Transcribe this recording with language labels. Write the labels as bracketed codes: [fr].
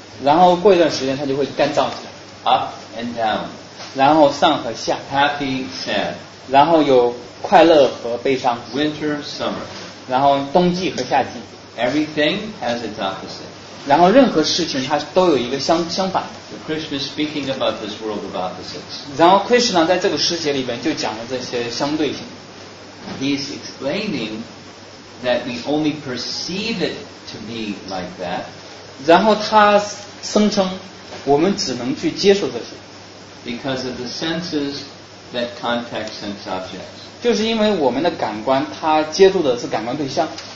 [zh] 然后过一段时间，它就会干燥起来。 [en] Up and down. [zh] 然后上和下。 [en] Happy, sad. [zh] 然后有。快乐和悲伤 [en] Winter, summer. [zh] 然后冬季和夏季 [en] Everything has its opposite. [zh] 然后任何事情它都有一个 相反 [en] So Krishna is speaking about this world of opposites. [zh] 然后 Krishna 在这个世界里面就讲了这些相对性 [en] He's explaining that we only perceive it to be like that. [zh] 然后他声称我们只能去接受这些 [en] Because of the senses that contact sense objects. [zh] 就是因为我们的感官它接触的是感官对象、